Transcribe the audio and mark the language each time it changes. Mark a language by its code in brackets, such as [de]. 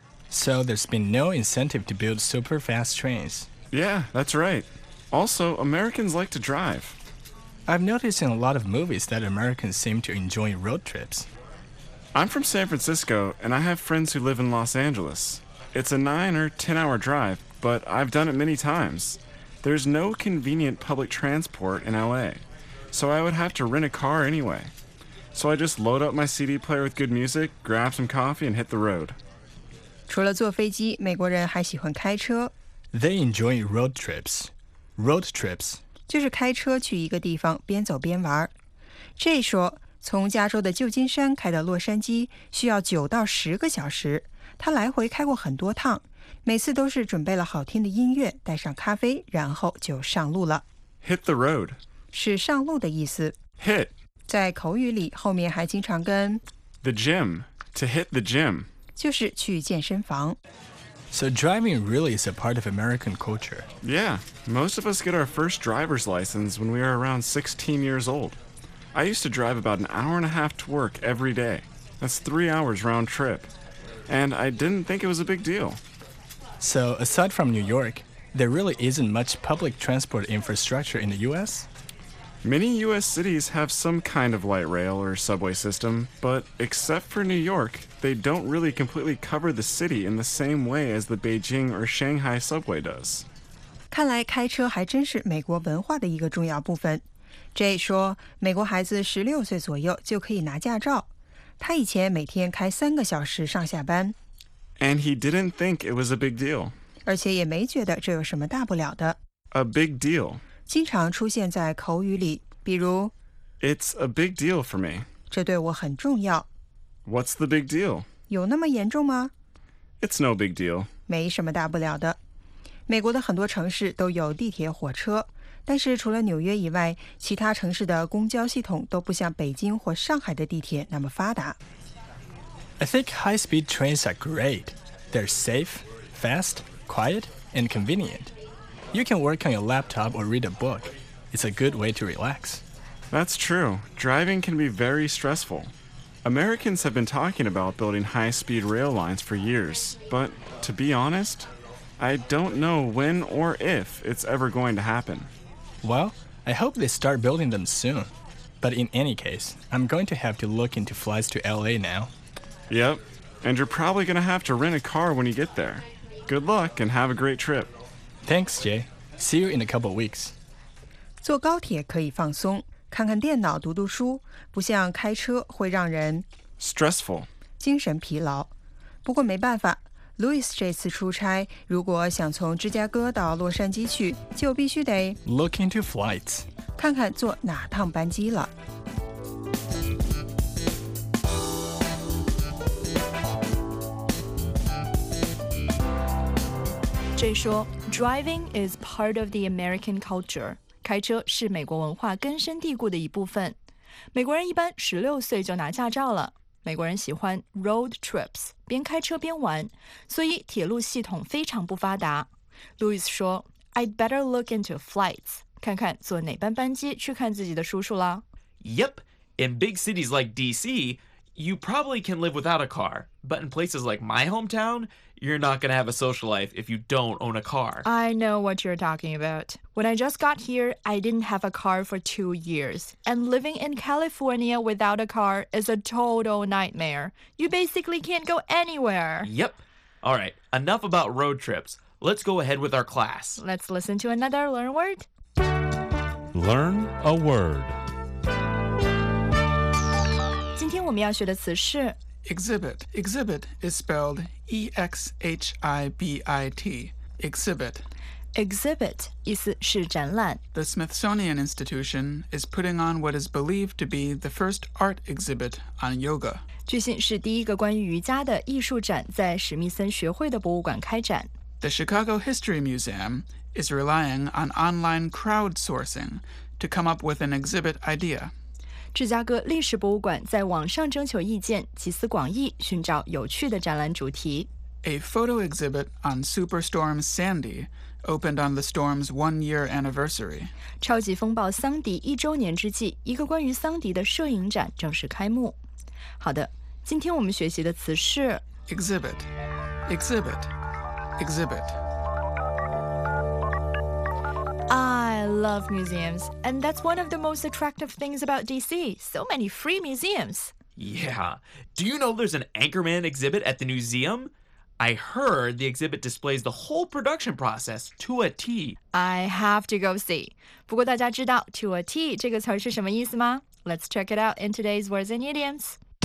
[en] So there's been no incentive to build super fast trains. Yeah, that's right. Also, Americans like to drive. I've noticed in a lot of movies that Americans seem to enjoy road trips. I'm from San Francisco, and I have friends who live in Los Angeles. It's a 9 or 10 hour drive, but I've done it many times. There's no convenient public transport in LA, so I would have to rent a car anyway. So I just load up my CD player with good music, grab some coffee, and hit the road. [zh] 除了坐飞机，美国人还喜欢开车。 [en] They enjoy road trips. Road trips. [zh] 就是开车去一个地方边走边玩。 Jay 说从加州的旧金山开到洛杉矶需要9到10个小时。他来回开过很多趟，每次都是准备了好听的音乐，带上咖啡，然后就上路了。 [en] Hit the road. [zh] 是上路的意思。 [en] Hit. [zh] 在口语里后面还经常跟 [en] The gym. To hit the gym. [zh] 就是去健身房。 [en] So driving really is a part of American culture. Yeah, most of us get our first driver's license when we are around 16 years old. I used to drive about 1.5 hours to work every day. That's 3 hours round trip. And I didn't think it was a big deal. So aside from New York, there really isn't much public transport infrastructure in the U.S.? Many U.S. cities have some kind of light rail or subway system, but except for New York... They don't really completely cover the city in the same way as the Beijing or Shanghai subway does. [zh] 看来开车还真是美国文化的一个重要部分。 Jay 说，美国孩子16岁左右就可以拿驾照。他以前每天开3个小时上下班。 [en] And he didn't think it was a big deal. [zh] 而且也没觉得这有什么大不了的。 [en] A big deal. [zh] 经常出现在口语里，比如 [en] It's a big deal for me. [zh] 这对我很重要。 [en] What's the big deal? [zh] 有那么严重吗？ [en] It's no big deal. [zh] 没什么大不了的。美国的很多城市都有地铁火车，但是除了纽约以外，其他城市的公交系统都不像北京或上海的地铁那么发达。 [en] I think high-speed trains are great. They're safe, fast, quiet, and convenient. You can work on your laptop or read a book. It's a good way to relax. That's true. Driving can be very stressful. Americans have been talking about building high-speed rail lines for years, but to be honest, I don't know when or if it's ever going to happen. Well, I hope they start building them soon. But in any case, I'm going to have to look into flights to LA now. Yep, and you're probably going to have to rent a car when you get there. Good luck and have a great trip. Thanks, Jay. See you in a couple weeks. [zh] 坐高铁可以放松，看看电脑，读读书，不像开车会让人 [en] stressful, [zh] 精神疲劳。不过没办法， Louis 这次出差，如果想从芝加哥到洛杉矶去，就必须得 [en] look into flights, [zh] 看看坐哪趟班机了。 [en] Jay [zh] 说 [en] driving is part of the American culture. [zh] 开车是美国文化根深蒂固的一部分。美国人一般16岁就拿驾照了。美国人喜欢 road trips, 边开车边玩。所以铁路系统非常不发达。Louis 说 [en] I'd better look into flights, [zh] 看看坐哪班班机去看自己的叔叔啦。 [en] Yep, in big cities like DC, you probably can live without a car. But in places like my hometown,You're not going to have a social life if you don't own a car. I know what you're talking about. When I just got here, I didn't have a car for 2 years. And living in California without a car is a total nightmare. You basically can't go anywhere. Yep. All right, enough about road trips. Let's go ahead with our class. Let's listen to another Learn Word. Learn a word. [zh] 今天我们要学的词是 [en] Exhibit. Exhibit is spelled E-X-H-I-B-I-T. Exhibit. [zh] Exhibit 意思是展览。 [en] The Smithsonian Institution is putting on what is believed to be the first art exhibit on yoga. [zh] 据信是第一个关于瑜伽的艺术展在史密森学会的博物馆开展。 [en] The Chicago History Museum is relying on online crowdsourcing to come up with an exhibit idea. [zh] 芝加哥历史博物馆在网上征求意见，集思广益，寻找有趣的展览主题。 [en] A photo exhibit on Superstorm Sandy opened on the storm's one-year anniversary. [zh] 超级风暴桑迪一周年之际，一个关于桑迪的摄影展正式开幕。好的，今天我们学习的词是 [en] exhibit, exhibit, exhibit. I love museums, and that's one of the most attractive things about DC. So many free museums. Yeah. Do you know there's an Anchorman exhibit at the museum? I heard the exhibit displays the whole production process to a T. I have to go see. [zh] 不过大家知道 to a T 这个词是什么意思吗? [en] Let's check it out in today's Words and Idioms.